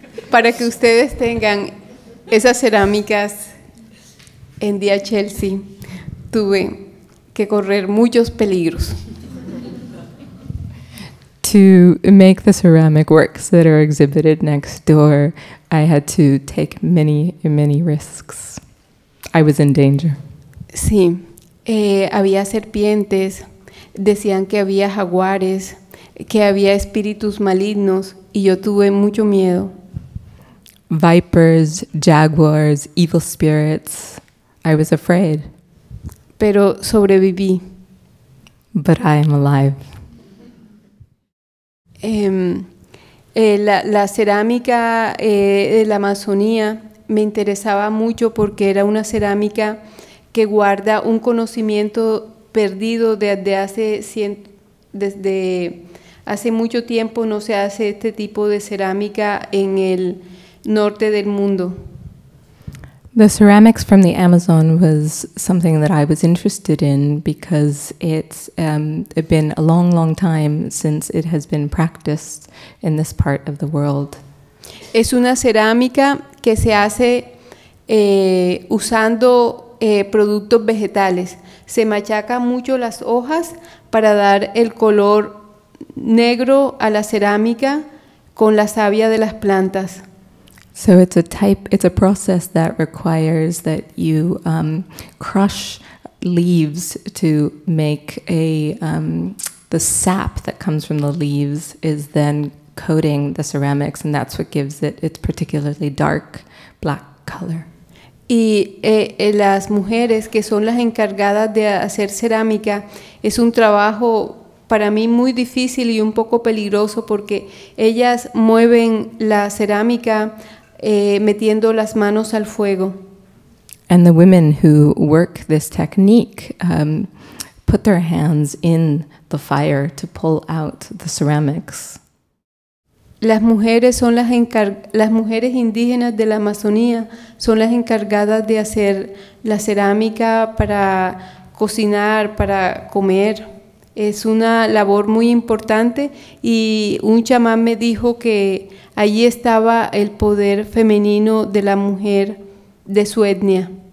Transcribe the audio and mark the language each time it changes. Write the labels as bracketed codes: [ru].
[es] Para que ustedes tengan esas cerámicas en Dia Chelsea, tuve que correr muchos peligros. [en] To make the ceramic works that are exhibited next door, I had to take many, many risks. I was in danger. [es] Sí, había serpientes, decían que había jaguares, que había espíritus malignos, y yo tuve mucho miedo. [en] Vipers, jaguars, evil spirits. I was afraid. [es] Pero sobreviví. [en] But I am alive. [es] La cerámica de la Amazonía me interesaba mucho porque era una cerámica que guarda un conocimiento perdido desde hace mucho tiempo. No se hace este tipo de cerámica en el norte del mundo. [en] The ceramics from the Amazon was something that I was interested in because it's been a long, long time since it has been practiced in this part of the world. [es] es una cerámica que se hace usando productos vegetales. Se machaca mucho las hojas para dar el color negro a la cerámica con la savia de las plantas. [en] So it's a type, it's a process that requires that you crush leaves to make a, the sap that comes from the leaves is then coating the ceramics, and that's what gives it its particularly dark black color. [es] Y las mujeres que son las encargadas de hacer cerámica es un trabajo para mí muy difícil y un poco peligroso porque ellas mueven la cerámica metiendo las manos al fuego. [en] And the women who work this technique put their hands in the fire to pull out the ceramics. [es] Las mujeres son las las mujeres indígenas de la Amazonía son las encargadas de hacer la cerámica para cocinar, para comer. Es una labor muy importante y un chamán me dijo que allí estaba el poder femenino de la mujer de su etnia.